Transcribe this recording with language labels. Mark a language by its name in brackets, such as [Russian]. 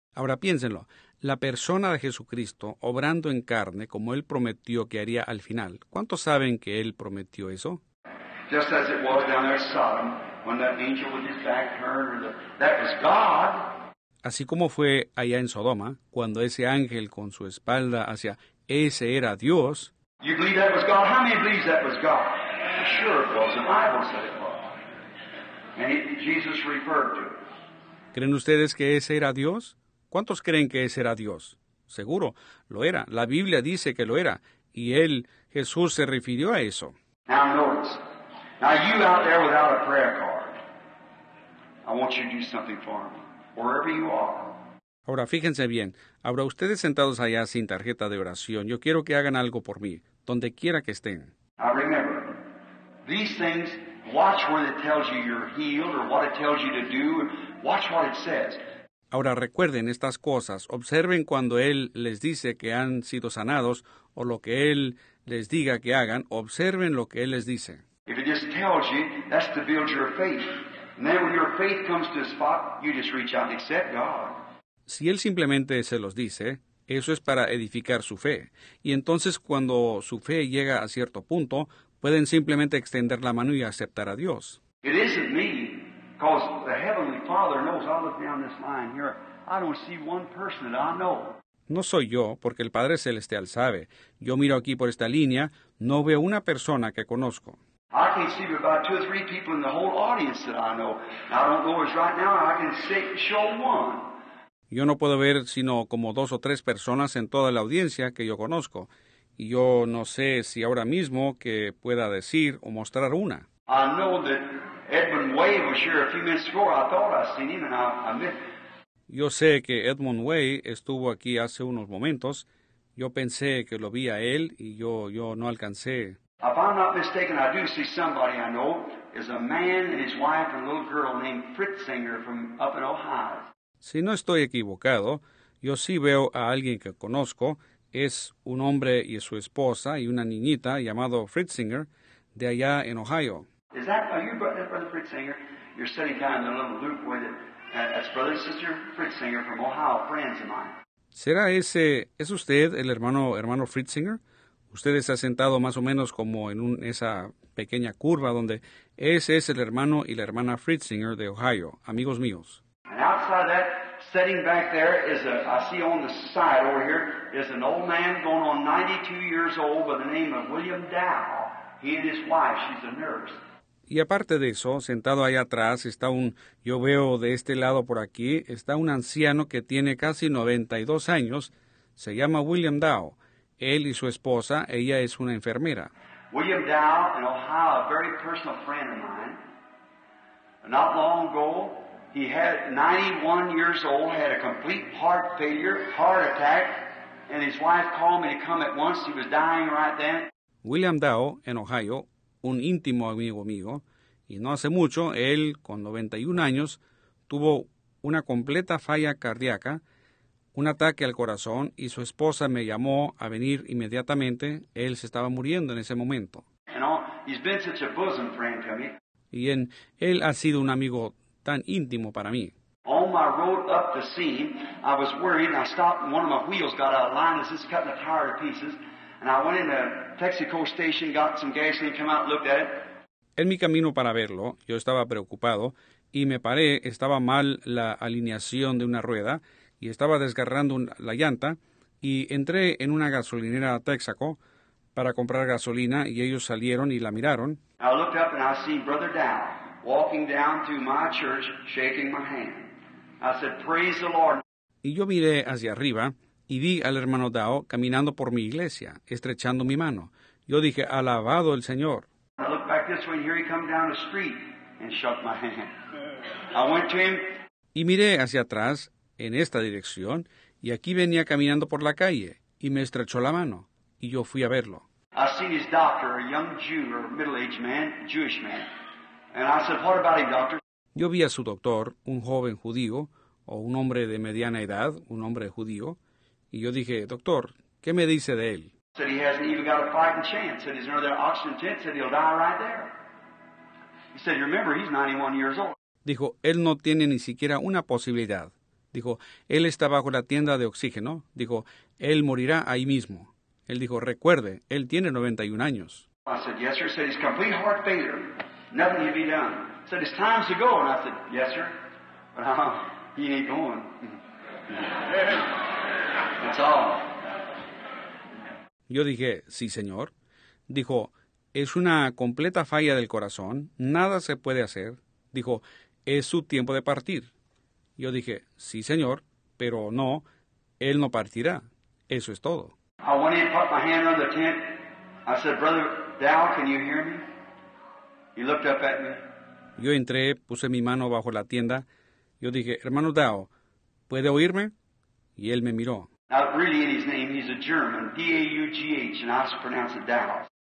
[Spanish] Ahora piénsenlo, la persona de Jesucristo obrando en carne como Él prometió que haría al final. ¿Cuántos saben que Él prometió eso? [English] Just as it was down there in Sodom, when that angel with his back turned, that was God. [Spanish] Así como fue allá en Sodoma, cuando ese ángel con su espalda hacia ese era Dios. [English] You believe that was God? How many believes that was God? Sure it was. The Bible said it was. And Jesus referred to it. [Spanish] ¿Creen ustedes que ese era Dios? ¿Cuántos creen que ese era Dios? Seguro, lo era. La Biblia dice que lo era. Y él, Jesús, se refirió a eso. [English] Now notice. Now you out there without a prayer card, I want you to do something for me. Wherever you are. [Spanish] Ahora, fíjense bien. Ahora, ustedes sentados allá sin tarjeta de oración, yo quiero que hagan algo por mí, donde quiera que estén. [English] Now remember, these things, watch where it tells you you're healed or what it tells you to do. Watch what it says. [Spanish] Ahora, recuerden estas cosas. Observen cuando Él les dice que han sido sanados o lo que Él les diga que hagan. Observen lo que Él les dice. [English] If it just tells you, that's to build your faith. And then when your faith comes to a spot, you just reach out and accept God. [Spanish] Si él simplemente se los dice, eso es para edificar su fe. Y entonces cuando su fe llega a cierto punto, pueden simplemente extender la mano y aceptar a Dios. [English] It isn't me, because the Heavenly Father knows all of down this line here. I don't see one person that I know. [Spanish] No soy yo, porque el Padre Celestial sabe. Yo miro aquí por esta línea, no veo una persona que conozco. [English] I can see about two or three people in the whole audience that I know. I don't know as right now, I can show one. [Spanish] Yo no puedo ver sino como dos o tres personas en toda la audiencia que yo conozco. Y yo no sé si ahora mismo que pueda decir o mostrar una. [English] I know that Edmund Way was here a few minutes ago. I thought I seen him and I missed him. [Spanish] Yo sé que Edmund Way estuvo aquí hace unos momentos. Yo pensé que lo vi a él y yo no alcancé. [English] If I'm not mistaken, I do see somebody I know is a man and his wife and a little girl named Fritzinger from up in Ohio. [Spanish] Si no estoy equivocado, yo sí veo a alguien que conozco. Es un hombre y su esposa y una niñita llamado Fritzinger de allá en Ohio. [English] Is that, are you brother Fritzinger? You're sitting down in the little loop with it. That's brother and sister Fritzinger from Ohio, friends of mine. [Spanish] ¿Será ese, es usted el hermano Fritzinger? usted está sentado más o menos como en esa pequeña curva donde ese es el hermano y la hermana Fritzinger de Ohio, amigos míos. [English] And outside of that, sitting back there is a, I see on the side over here, is an old man going on 92 years old by the name of William Dow. He and his wife, she's a nurse. [Spanish] Y aparte de eso, sentado allá atrás, está yo veo de este lado por aquí, está un anciano que tiene casi 92 años, se llama William Dow. Él y su esposa, ella es una enfermera. [English] William Dow in Ohio, a very personal friend of mine, not long ago, he had 91 years old, had a complete heart failure, heart attack, and his wife called me to come at once. He was dying right then. [Spanish] William Dow en Ohio, un íntimo amigo mío, y no hace mucho, él con 91 años, tuvo una completa falla cardíaca, un ataque al corazón, y su esposa me llamó a venir inmediatamente. Él se estaba muriendo en ese momento. [English] He's been such a bosom friend to me. [Spanish] Y él ha sido un amigo tan íntimo para mí. [English] On my road up the scene, I was worried, and I stopped, and one of my wheels got out of line, and it's cutting the tire to pieces. And I went in the Texaco station, got some gasoline, came out and looked at it. [Spanish] En mi camino para verlo, yo estaba preocupado, y me paré, estaba mal la alineación de una rueda, y estaba desgarrando la llanta, y entré en una gasolinera Texaco para comprar gasolina, y ellos salieron y la miraron. [English] I looked up and I seen Brother Dow walking down to my church, shaking my hand. I said, praise the Lord. [Spanish] Y yo miré hacia arriba, y vi al hermano Dow caminando por mi iglesia, estrechando mi mano. Yo dije, alabado el Señor. [English] I looked back this way, and here he come down the street, and shook my hand. I went to him. [Spanish] Y miré hacia atrás, en esta dirección, y aquí venía caminando por la calle, y me estrechó la mano, y yo fui a verlo. [English] I seen his doctor, a young Jew, or middle-aged man, Jewish man. And I said, what about him, doctor? [Spanish] Yo vi a su doctor, un joven judío, o un hombre de mediana edad, un hombre judío, y yo dije, doctor, ¿qué me dice de él? [English] Said he hasn't even got a fighting chance. Said he's in another oxygen tent. Said he'll die right there. He said, remember, he's 91 years old. [Spanish] Dijo, él no tiene ni siquiera una posibilidad. Dijo, él está bajo la tienda de oxígeno. Dijo, él morirá ahí mismo. Él dijo, recuerde, él tiene 91 años. [English] I said, yes, sir. Said he's complete heart failure. Nothing can be done. Said it's time to go. And I said, yes, sir. But he ain't going. That's all. [Spanish] Yo dije, sí, señor. Dijo, es una completa falla del corazón. Nada se puede hacer. Dijo, es su tiempo de partir. Yo dije, sí, señor, pero no, él no partirá. Eso es todo. [English] I went in and put my hand under the tent. I said, Brother Dow, can you hear me? He looked up at me. [Spanish] Yo entré, puse mi mano bajo la tienda. Yo dije, hermano Dow, ¿puede oírme? Y él me miró. [English] Not really in his name, he's a German, D-A-U-G-H, and I pronounce it Dow.